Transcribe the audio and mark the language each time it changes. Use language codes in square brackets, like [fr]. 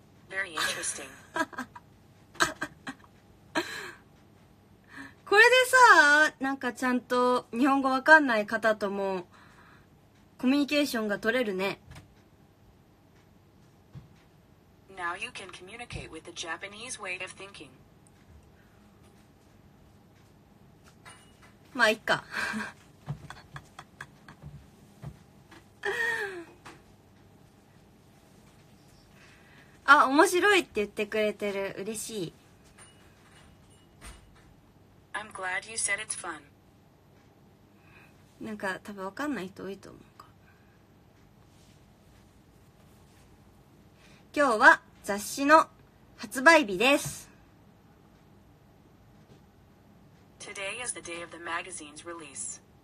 [en] Very interesting. [ja] これでさ、なんかちゃんと日本語わかんない方ともコミュニケーションが取れるね。 [en] Now you can communicate with the Japanese way of thinking. [ja] まあいっか。あ、面白いって言ってくれてる、嬉しい。 [en] I'm glad you said it's fun. [ja] なんか多分わかんない人多いと思うか。今日は雑誌の発売日です。 [en] Today is the day of the magazine's release.